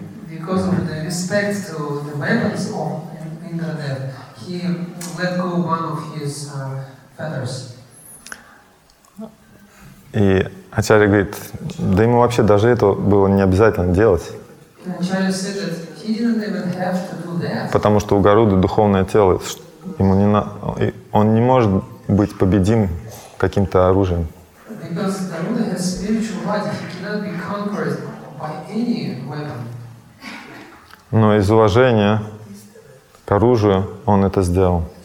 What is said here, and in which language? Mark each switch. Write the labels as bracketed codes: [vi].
[en] Because of the respect to the weapons of Indra, that he let go one of his feathers. [ru] И Ачарья говорит, да ему вообще даже это было не обязательно делать. [en] Ачарья said that he didn't even have to do that. [ru] Потому что у Гаруды духовное тело, ему не на, он не может быть победим каким-то оружием. [en] Because Garuda has spiritual body, he cannot be conquered by any weapon. [ru] Но из уважения к оружию он это сделал.